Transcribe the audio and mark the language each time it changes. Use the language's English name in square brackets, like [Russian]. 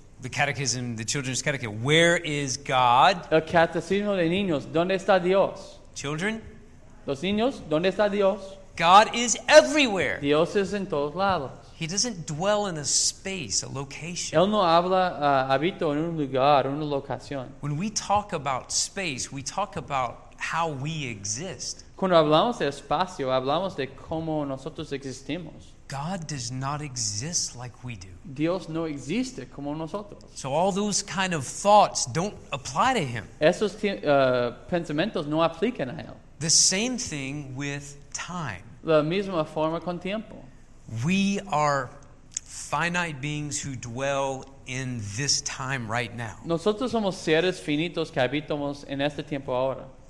[English] The catechism, the children's catechism. Where is God? [Spanish] El catecismo de niños. ¿Dónde está Dios? [English] Children? [Spanish] Los niños. ¿Dónde está Dios? [English] God is everywhere. [Spanish] Dios es en todos lados. [English] He doesn't dwell in a space, a location. [Spanish] Él no habla, habito en un lugar, una locación. [English] When we talk about space, we talk about how we exist. [Spanish] Cuando hablamos de espacio, hablamos de cómo nosotros existimos. [English] God does not exist like we do. [Spanish] Dios no existe como nosotros. [English] So all those kind of thoughts don't apply to him. [Spanish] Esos pensamientos no aplican a él. [English] The same thing with time. [Spanish] La misma forma con tiempo. [English] We are finite beings who dwell in this time right now. [Spanish] Nosotros somos seres finitos que habitamos en este tiempo ahora.